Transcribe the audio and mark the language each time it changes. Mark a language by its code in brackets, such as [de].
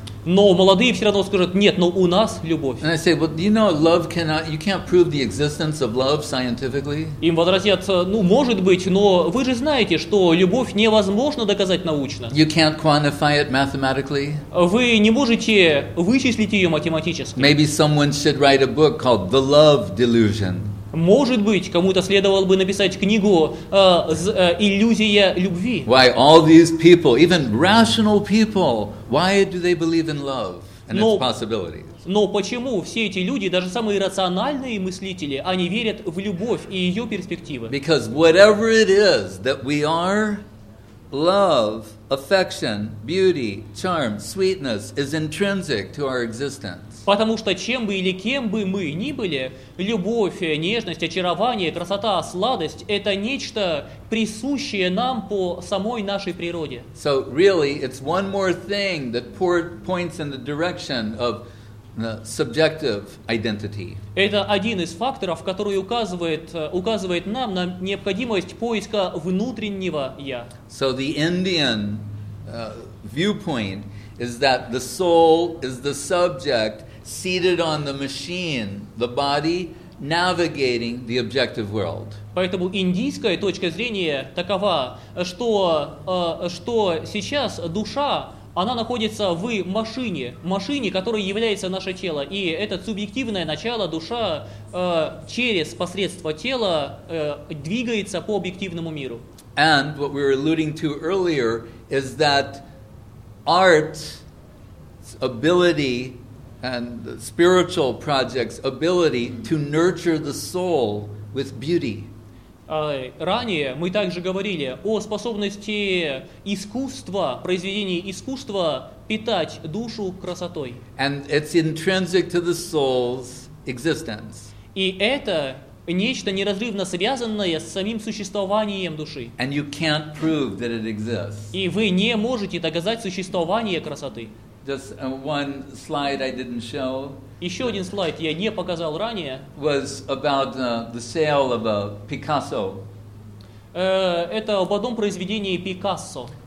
[ru] Но молодые все равно скажут, нет, но у нас любовь. [en] And I say, well, love cannot, you can't prove the existence of love scientifically. [ru] Им возразят, может быть, но вы же знаете, что любовь невозможно доказать научно. [en] You can't quantify it mathematically. [ru] Вы не можете вычислить ее математически. [en] Maybe someone should write a book called The Love Delusion. [ru] Может быть, кому-то следовало бы написать книгу «Иллюзия любви». [en] Why all these people, even rational people, why do they believe in love and its possibilities? [ru] Но почему все эти люди, даже самые рациональные мыслители, они верят в любовь и ее перспективы? [en] Because whatever it is that we are, love, affection, beauty, charm, sweetness is intrinsic to our existence. [ru] Потому что чем бы или кем бы мы ни были, любовь, нежность, очарование, красота, сладость – это нечто присущее нам по самой нашей природе. [en] So really, it's one more thing that points in the direction of subjective identity. [ru] Это один из факторов, который указывает нам на необходимость поиска внутреннего я. [en] So the Indian viewpoint is that the soul is the subject seated on the machine, the body navigating the objective world. [ru] Поэтому индийская точка зрения такова, что сейчас душа она находится в машине, которая является наше тело, и это субъективное начало душа через посредство тела двигается по объективному миру. [en] And what we were alluding to earlier is that art's ability and the spiritual project's ability to nurture the soul with beauty. [ru] Ранее мы также говорили о способности искусства, произведений искусства питать душу красотой. [en] And it's intrinsic to the soul's existence. [ru] И это нечто неразрывно связанное с самим существованием души. [en] And you can't prove that it exists. [ru] И вы не можете доказать существование красоты. [en] Just one slide I didn't show. [ru] Еще один слайд я не показал ранее. [en] Was about the sale of a Picasso. [ru] Это об одном произведении Пикассо.